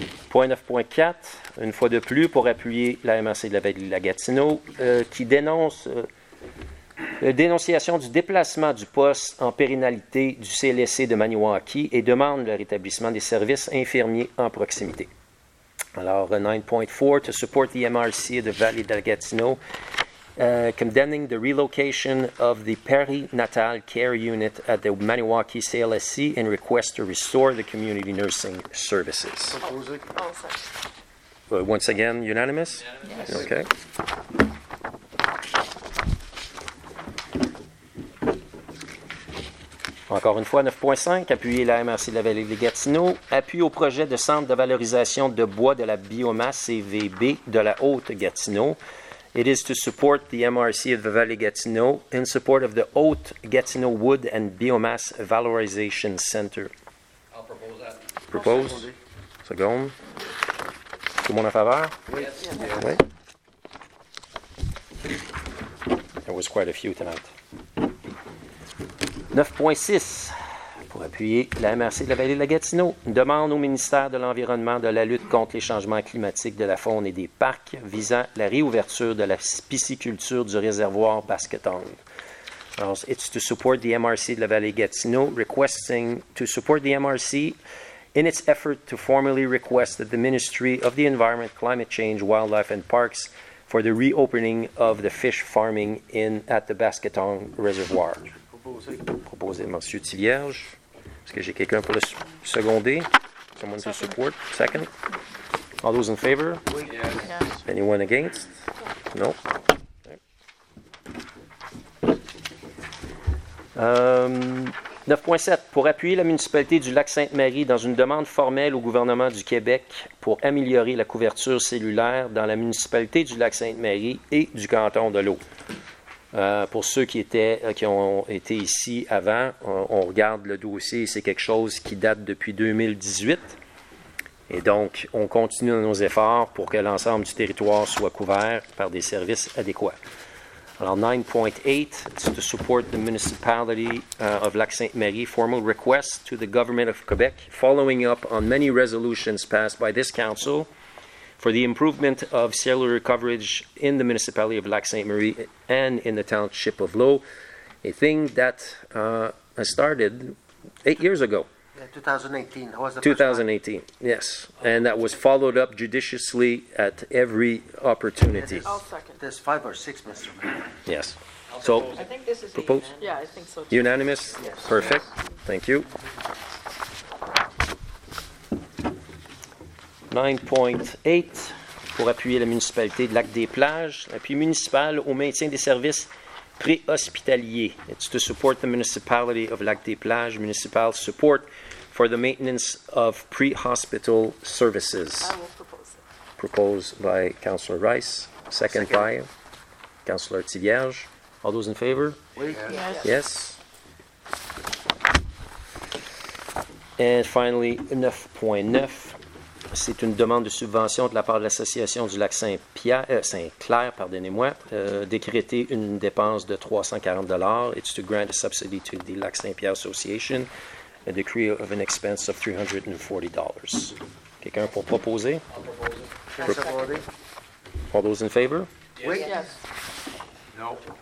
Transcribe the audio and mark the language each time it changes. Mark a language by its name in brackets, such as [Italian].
[French] Point 9.4, une fois de plus, pour appuyer la MRC de la Vallée de la Gatineau, qui dénonce la dénonciation du déplacement du poste en périnalité du CLSC de Maniwaki et demande le rétablissement des services infirmiers en proximité. [English] Alors, 9.4, to support the MRC of the Valley de la Gatineau condemning the relocation of the perinatal care unit at the Maniwaki CLSC and request to restore the community nursing services. Proposed. Once again, unanimous? Yes. Okay. [French] Encore une fois, 9.5, appuyer la MRC de la Vallée de Gatineau, appui au projet de centre de valorisation de bois de la biomasse CVB de la Haute-Gatineau. [English] It is to support the MRC of the Vallée Gatineau in support of the Haute-Gatineau Wood and Biomass Valorization Center. I'll propose that. Propose. Second. [French] Tout le monde en faveur? [English] Yes. [French] Oui. [English] There was quite a few tonight. [French] 9.6, pour appuyer la MRC de la Vallée de la Gatineau, demande au ministère de l'Environnement de la lutte contre les changements climatiques de la faune et des parcs visant la réouverture de la pisciculture du réservoir Basketong. [English] Alors, it's to support the MRC de la Vallée de Gatineau, requesting to support the MRC in its effort to formally request that the Ministry of the Environment, Climate Change, Wildlife and Parks for the reopening of the fish farming in at the Basketong Reservoir. [French] Proposé. Proposé, M. Thivierge. Est-ce que j'ai quelqu'un pour le seconder? [English] Someone to support? Second? All those in favor? [French] Oui. [English] Yes. Anyone against? No. Okay. 9.7. Pour appuyer la municipalité du Lac-Sainte-Marie dans une demande formelle au gouvernement du Québec pour améliorer la couverture cellulaire dans la municipalité du Lac-Sainte-Marie et du canton de l'Eau. Pour ceux qui étaient, qui ont été ici avant, on regarde le dossier, c'est quelque chose qui date depuis 2018. Et donc, on continue nos efforts pour que l'ensemble du territoire soit couvert par des services adéquats. Alors, 9.8, to support the municipality of Lac-Sainte-Marie, formal request to the government of Quebec, following up on many resolutions passed by this council, for the improvement of cellular coverage in the municipality of Lac-Sainte-Marie and in the township of Lowe, a thing that started 8 years ago. Yeah, 2018. How was the 2018, first yes. And that was followed up judiciously at every opportunity. Yes, I'll second. There's five or six, Mr. Mayor. Yes. I'll so, propose. I think this is proposed. Yeah, I think so. Too. Unanimous? Yes. Perfect. Yes. Thank you. [French] 9.8, pour appuyer la municipalité de Lac-des-Plages, appui municipal au maintien des services préhospitaliers. [English] It's to support the municipality of Lac-des-Plages, municipal support for the maintenance of pre-hospital services. I will propose it. Proposed by Councillor Rice, second by Councillor Thivierge. All those in favor? [French] Oui. [English] Yes. Yes. And finally, 9.9. [French] C'est une demande de subvention de la part de l'Association du lac Saint-Clair, pardonnez-moi, décréter une dépense de $340. [English] It's to grant a subsidy to the Lac Saint-Pierre Association, a decree of an expense of $340. [French] Quelqu'un pour proposer? [English] I'll propose it. Proposed. All those in favor? [French] Oui. [English] Yes. Yes. No.